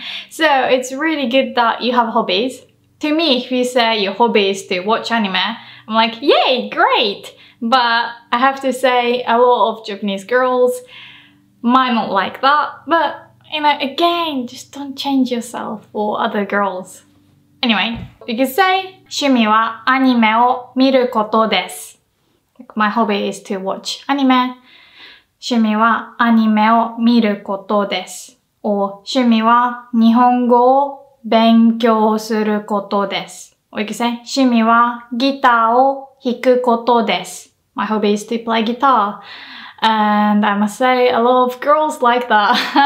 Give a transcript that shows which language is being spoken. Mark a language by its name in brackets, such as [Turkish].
[English] So it's really good that you have hobbies. To me, if you say your hobby is to watch anime, I'm like, yay, great! But I have to say a lot of Japanese girls might not like that. But, you know, again, just don't change yourself for other girls. Anyway, you can say, [Japanese] 趣味はアニメを見ることです。 [English] My hobby is to watch anime. [Japanese] 趣味はアニメを見ることです。 Or 趣味は日本語を勉強することです。 [English] Or you can say [Japanese] 趣味はギターを弾くことです。 [English] My hobby is to play guitar. And I must say a lot of girls like that.